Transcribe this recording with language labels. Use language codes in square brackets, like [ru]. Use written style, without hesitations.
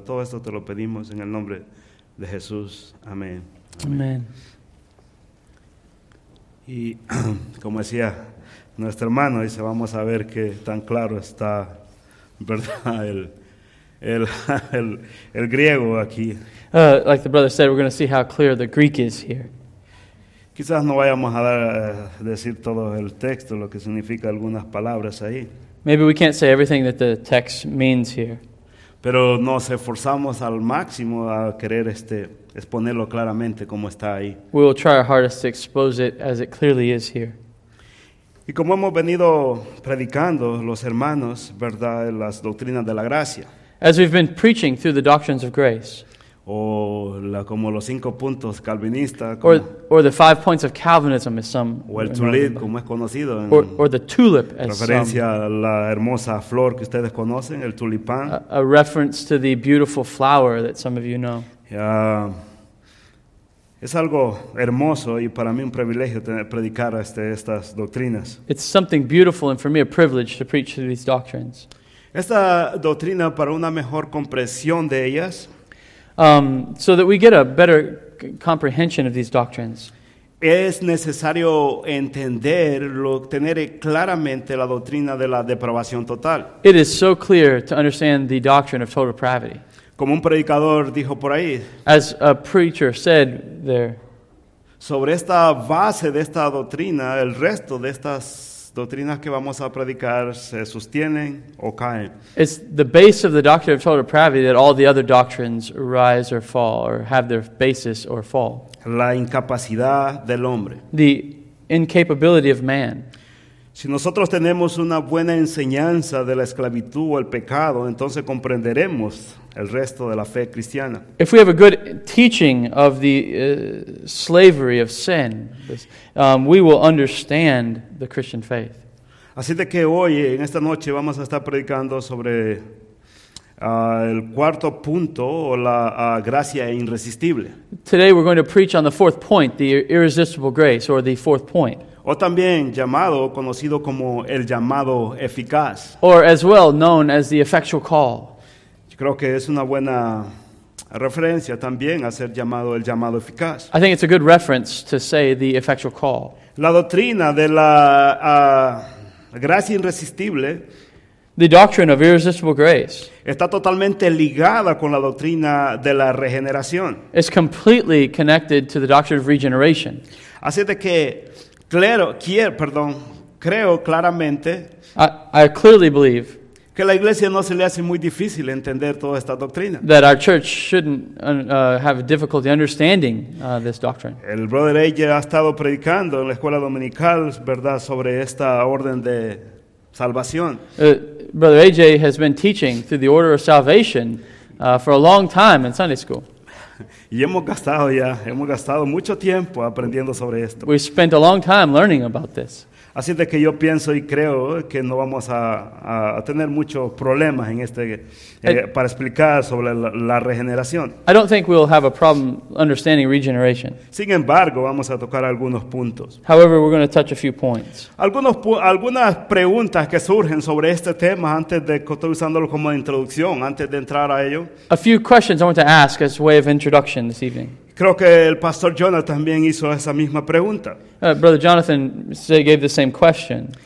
[es] Todo esto te lo pedimos en el nombre de Jesús. Amén. Amén. Y como decía nuestro hermano, dice, vamos a ver qué tan claro está, ¿verdad?, el griego aquí. [en] Like the brother said, we're going to see how clear the Greek is here. [es] Quizás no vayamos a dar decir todo el texto, lo que significa algunas palabras ahí. [en] Maybe we can't say everything that the text means here. [es] Pero nos esforzamos al máximo a querer exponerlo claramente como está ahí. [en] We will try our hardest to expose it as it clearly is here. [es] Y como hemos venido predicando los hermanos, ¿verdad?, las doctrinas de la gracia. [en] As we've been preaching through the doctrines of grace. [es] O como los cinco puntos calvinistas. [en] Or the five points of Calvinism, as some. [es] O el tulip, como es conocido. [en] Or the tulip, as some. [es] Referencia a la hermosa flor que ustedes conocen, el tulipán. [en] A reference to the beautiful flower that some of you know. [es] Es algo hermoso y para mí un privilegio predicar estas doctrinas. [en] It's something beautiful and for me a privilege to preach through these doctrines. [es] Esta doctrina, para una mejor comprensión de ellas. [en] So that we get a better comprehension of these doctrines. [es] Es necesario tener claramente la doctrina de la depravación total. [en] It is so clear to understand the doctrine of total depravity. [es] Como un predicador dijo por ahí. [en] As a preacher said there. [es] Sobre esta base de esta doctrina, el resto de estas doctrinas que vamos a predicar se sostienen o caen. [en] It's the base of the doctrine of total depravity that all the other doctrines rise or fall, or have their basis or fall. [es] La incapacidad del hombre. [en] The incapability of man. [es] Si nosotros tenemos una buena enseñanza de la esclavitud o el pecado, entonces comprenderemos el resto de la fe cristiana. [en] If we have a good teaching of the slavery of sin, we will understand the Christian faith. [es] Así de que hoy, en esta noche, vamos a estar predicando sobre el cuarto punto, o la gracia irresistible. [en] Today we're going to preach on the fourth point, the irresistible grace, or the fourth point. [es] O también llamado, conocido como el llamado eficaz. [en] Or as well known as the effectual call. [es] Yo creo que es una buena referencia también a ser llamado el llamado eficaz. [en] I think it's a good reference to say the effectual call. [es] La doctrina de la gracia irresistible. [en] The doctrine of irresistible grace. [es] Está totalmente ligada con la doctrina de la regeneración. [en] It's completely connected to the doctrine of regeneration. [es] Así de que creo claramente. [en] I clearly believe. [es] Que la iglesia no se le hace muy difícil entender toda esta doctrina. [en] That our church shouldn't have difficulty understanding this doctrine. [es] El brother AJ ha estado predicando en la escuela dominical, ¿verdad?, sobre esta orden de salvación. [en] Brother AJ has been teaching through the order of salvation for a long time in Sunday school. [es] Y hemos gastado mucho tiempo aprendiendo sobre esto. [en] We spent a long time learning about this. [es] Así de que yo pienso y creo que no vamos a tener muchos problemas en este para explicar sobre la regeneración. [en] I don't think we'll have a problem understanding regeneration. [es] Sin embargo, vamos a tocar algunos puntos. [en] However, we're going to touch a few points. [es] Algunas preguntas que surgen sobre este tema antes de estar usándolo como introducción, antes de entrar a ello. [en] A few questions I want to ask as way of introduction this evening. [es] Creo que el pastor Jonathan también hizo esa misma pregunta. [en] Brother Jonathan gave the same question.